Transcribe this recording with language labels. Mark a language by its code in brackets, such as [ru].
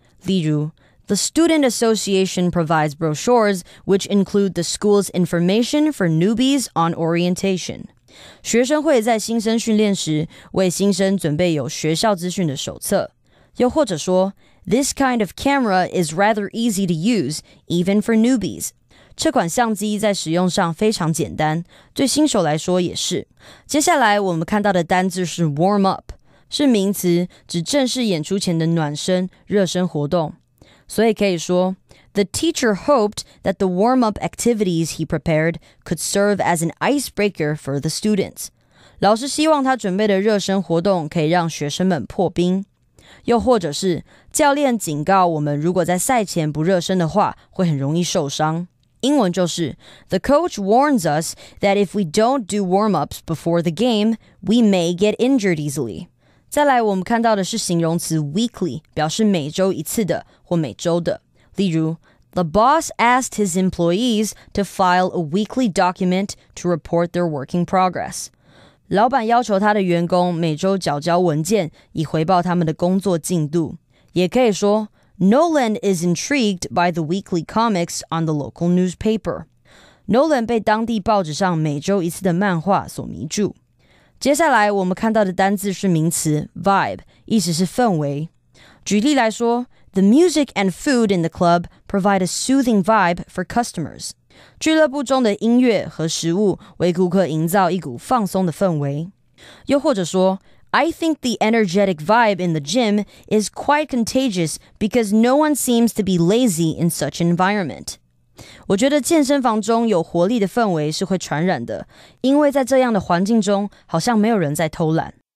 [zh] 例如 [en] ,The Student Association provides brochures which include the school's information for newbies on orientation. [zh] 学生会在新生训练时为新生准备有学校资讯的手册。又或者说 [en] ,This kind of camera is rather easy to use, even for newbies. [zh] 这款相机在使用上非常简单，对新手来说也是。接下来我们看到的单字是 warm up， 是名词，指正式演出前的暖身、热身活动。所以可以说 [en] ，The teacher hoped that the warm up activities he prepared could serve as an icebreaker for the students。 [zh] 老师希望他准备的热身活动可以让学生们破冰。又或者是教练警告我们，如果在赛前不热身的话，会很容易受伤。英文就是 [en] The coach warns us that if we don't do warm-ups before the game, we may get injured easily. [zh] 再来我们看到的是形容词 weekly, 表示每周一次的或每周的。例如 [en] The boss asked his employees to file a weekly document to report their working progress. [zh] 老板要求他的员工每周缴交文件以回报他们的工作进度。也可以说 [en] Nolan is intrigued by the weekly comics on the local newspaper. [zh] Nolan 被当地报纸上每周一次的漫画所迷住。接下来我们看到的单字是名词 vibe, 意思是氛围。举例来说 [en] ,the music and food in the club provide a soothing vibe for customers. [zh] 俱乐部中的音乐和食物为顾客营造一股放松的氛围。又或者说 [en] I think the energetic vibe in the gym is quite contagious because no one seems to be lazy in such an environment. [zh] 我觉得健身房中有活力的氛围是会传染的，因为在这样的环境中，好像没有人在偷懒。